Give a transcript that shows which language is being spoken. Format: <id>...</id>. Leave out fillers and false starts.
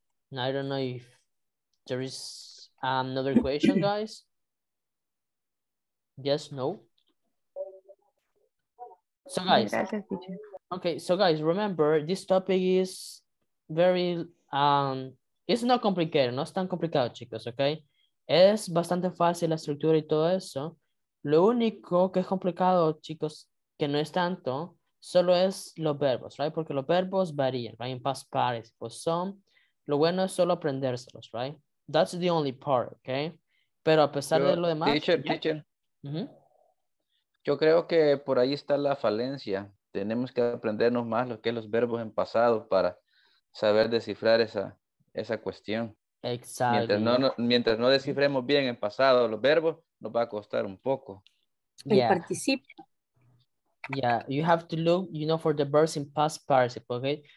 <en>And I don't know if there is another question, guys. Yes, no. So guys, okay, so guys, remember this topic is very it's not complicated,</en> <es>no es tan complicado, chicos,</es> <en>okay?</en> <es>Es bastante fácil la estructura y todo eso. Lo único que es complicado, chicos, que no es tanto, solo es los verbos, right? Porque los verbos varían, right?</es> <en>In past participle, some.</en> <es>Lo bueno es solo aprendérselos, right?</es> <en>That's the only part, okay?</en> <es>Pero a pesar de lo demás,</es> <en>teacher, yeah. Teacher.</en> <es>Yo creo que por ahí está la falencia. Tenemos que aprendernos más lo que es los verbos en pasado para saber descifrar esa cuestión. Exacto. Mientras no descifremos bien en pasado los verbos, nos va a costar un poco. El</es> <en>yeah.</en> <es>Participio.</es> <en>Yeah, you have to look, you know, for the verbs in past participle, okay?</en>